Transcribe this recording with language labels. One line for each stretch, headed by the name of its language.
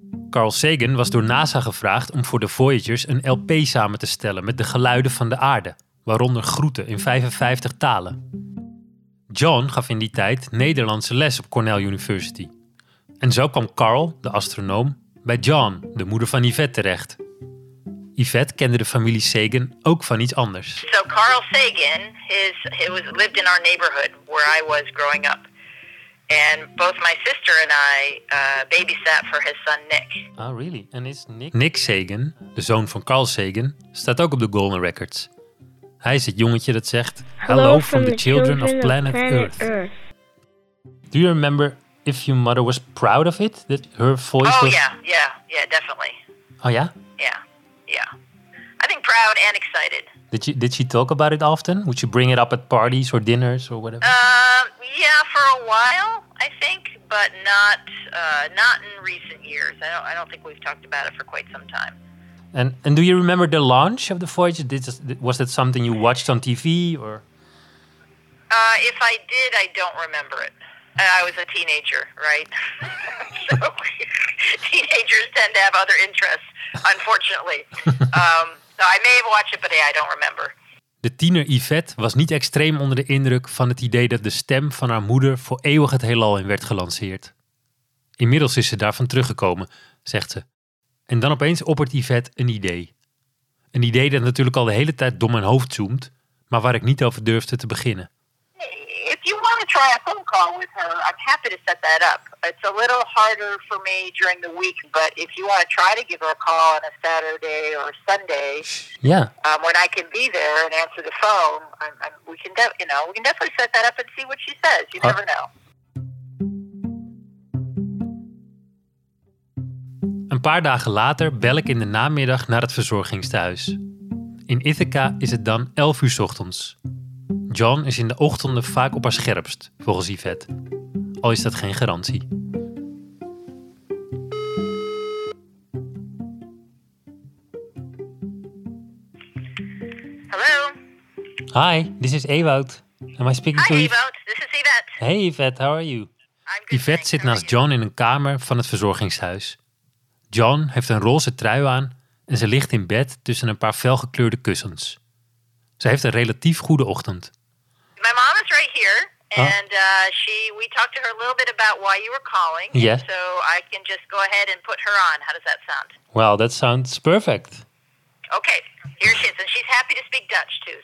Dutch: Carl Sagan was door NASA gevraagd om voor de Voyagers een LP samen te stellen met de geluiden van de aarde, waaronder groeten in 55 talen. John gaf in die tijd Nederlandse les op Cornell University. En zo kwam Carl, de astronoom, bij John, de moeder van Yvette, terecht. Yvette kende de familie Sagan ook van iets anders.
English: So Carl Sagan lived in our neighborhood where I was growing up. And both my sister and I babysat for his son Nick. Oh, really? And is Nick...
Dutch: Nick Sagan, de zoon van Carl Sagan, staat ook op de Golden Records. Hij is het jongetje dat zegt...
English: Hello from the children of planet Earth. Do you remember if your mother was proud of it? That her voice oh, was... Oh, yeah, definitely. Oh, yeah? Yeah. I think proud and excited. Did she talk about it often? Would she bring it up at parties or dinners or whatever? Yeah, for a while, I think, but not in recent years. I don't think we've talked about it for quite some time. And do you remember the launch of the Voyager? Was that something you watched on TV or? If I did, I don't remember it. I was a teenager, right? So teenagers tend to have other interests, unfortunately. So I may have watched it, but yeah, I don't remember.
Dutch: De tiener Yvette was niet extreem onder de indruk van het idee dat de stem van haar moeder voor eeuwig het heelal in werd gelanceerd. Inmiddels is ze daarvan teruggekomen, zegt ze. En dan opeens oppert Yvette een idee. Een idee dat natuurlijk al de hele tijd door mijn hoofd zoomt, maar waar ik niet over durfde te beginnen.
English: If you want to try a phone call with her, I'm happy to set that up. It's a little harder for me during the week, but if you want to try to give her a call on a Saturday or a Sunday, when I can be there and answer the phone, we can definitely set that up and see what she says. You never know.
Dutch: Een paar dagen later bel ik in de namiddag naar het verzorgingstehuis. In Ithaca is het dan 11:00 ochtends. John is in de ochtenden vaak op haar scherpst, volgens Yvette. Al is dat geen garantie. Hallo.
English: Hi, this is Ewout. Am I speaking to you? Hi Ewout, this is Yvette. Hey Yvette, how are you? I'm good,
Dutch: Yvette
English: thanks.
Dutch: Zit naast John in een kamer van het verzorgingshuis. John heeft een roze trui aan en ze ligt in bed tussen een paar felgekleurde kussens. Ze heeft een relatief goede ochtend.
English: My mom is right here and we talked to her a little bit about why you were calling. Yes. So I can just go ahead and put her on. How does that sound? Well, that sounds perfect. Okay, here she is and she's happy to speak Dutch too.